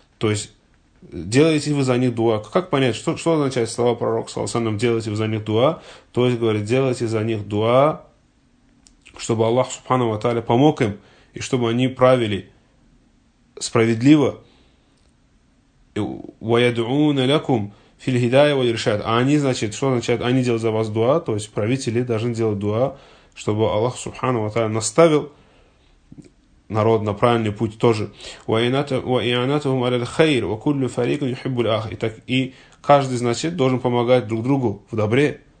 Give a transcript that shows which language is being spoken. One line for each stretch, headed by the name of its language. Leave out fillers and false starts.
Russian: То есть делаете вы за них дуа. Как понять, что означает слова пророка
Arabic: صلى الله عليه وسلم,
Russian: делаете вы за них дуа? То есть говорит, делайте за них дуа, чтобы Аллах Субхану ва Тааля помог им и чтобы они правили справедливо.
Arabic: ويدعون لكم في الهداية والإرشاد.
Russian: А они, значит, что означает? Они делают за вас дуа, то есть правители должны делать дуа, чтобы Аллах Субхану ва Тааля наставил народ на правильный путь тоже.
Arabic: وَإِعَانَتُهُمْ عَلَى الْخَيْرِ وَكُلُّ فَرِيقٍ يُحِبُّ الْآخِرِ.
Russian: Итак, и каждый, значит, должен помогать друг другу в добре.